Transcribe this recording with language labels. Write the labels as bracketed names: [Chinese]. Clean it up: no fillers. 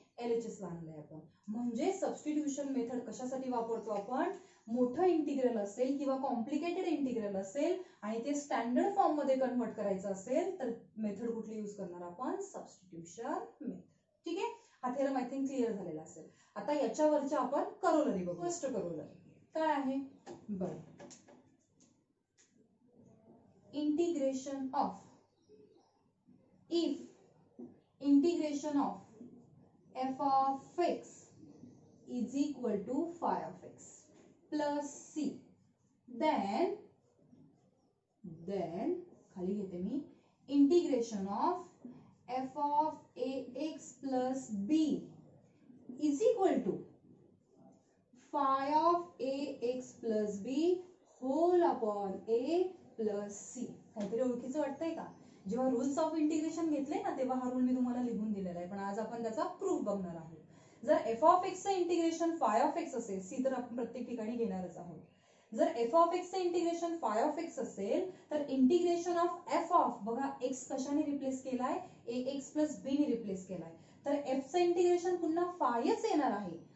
[Marathi] LHS ला आणलंय आपण. म्हणजे सबस्टिट्यूशन मेथड कशासाठी वापरतो आपण? मोठं इंटिग्रल असेल किंवा कॉम्प्लिकेटेड इंटिग्रल असेल आणि ते स्टँडर्ड फॉर्म मध्ये कन्वर्ट करायचं असेल तर मेथड कुठली युज करणार आपण? Substitution method. ठीक आहे. थेरम [English] I think [Marathi] क्लियर झालेला असेल. आता याच्यावरचे आपण करोलरी बघू. [English] first corollary [Marathi] काय आहे? [English] बरं, integration of, if integration of f of x is equal to phi of x plus c, then then [Marathi] खाली घेते मी [English] Integration of f of a x plus b is equal to phi of a x plus b whole upon a plus c. [Marathi] काहीतरी ओळखीचं वाटतंय का? जेव्हा rules of integration घेतले ना तेव्हा हा रूल मी तुम्हाला लिहून दिलेला आहे, पण आज आपण त्याचा प्रूफ बघणार आहोत. जर एफ ऑफ एक्स चं इंटिग्रेशन फाय ऑफ एक्स असेल, सी तर आपण प्रत्येक ठिकाणी घेणारच आहोत, जर एफ ऑफ एक्स चं इंटिग्रेशन फाय ऑफ एक्स असेल तर इंटिग्रेशन ऑफ एफ ऑफ, बघा एक्स कशाने रिप्लेस केलाय, ए एक्स प्लस बी ने रिप्लेस केलाय, तर एफ चं इंटिग्रेशन पुन्हा फायच येणार आहे.